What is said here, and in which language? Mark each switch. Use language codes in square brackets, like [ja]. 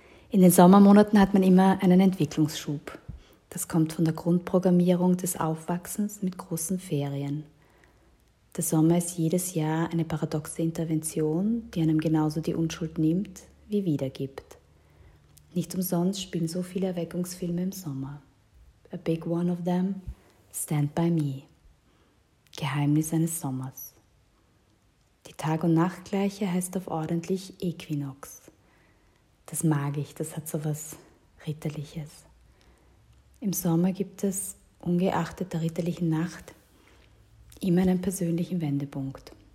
[de] In den Sommermonaten hat man immer einen Entwicklungsschub. Das kommt von der Grundprogrammierung des Aufwachsens mit großen Ferien. Der Sommer ist jedes Jahr eine paradoxe Intervention, die einem genauso die Unschuld nimmt wie wiedergibt. Nicht umsonst spielen so viele Erweckungsfilme im Sommer. [en] A big one of them, Stand by Me. [de] Geheimnis eines Sommers. Die Tag- und Nachtgleiche heißt auf ordentlich Equinox. Das mag ich, das hat so was Ritterliches. Im Sommer gibt es, ungeachtet der ritterlichen Nacht, immer einen persönlichen Wendepunkt.